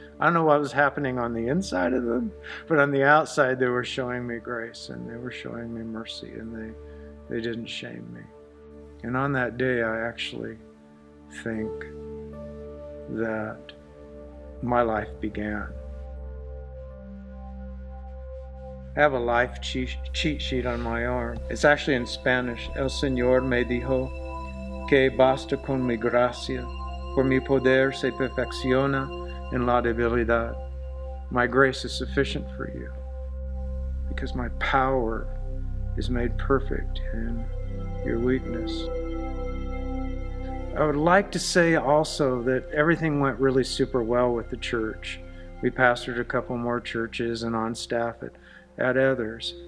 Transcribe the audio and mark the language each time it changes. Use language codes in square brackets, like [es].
[en] I don't know what was happening on the inside of them, but on the outside, they were showing me grace and they were showing me mercy, and they didn't shame me. And on that day, I actually think that my life began. I have a life cheat sheet on my arm. It's actually in Spanish. [es] El Señor me dijo que basta con mi gracia, por mi poder se perfecciona en la debilidad. [en] My grace is sufficient for you, because my power is made perfect in your weakness. I would like to say also that everything went really super well with the church. We pastored a couple more churches and on staff at others.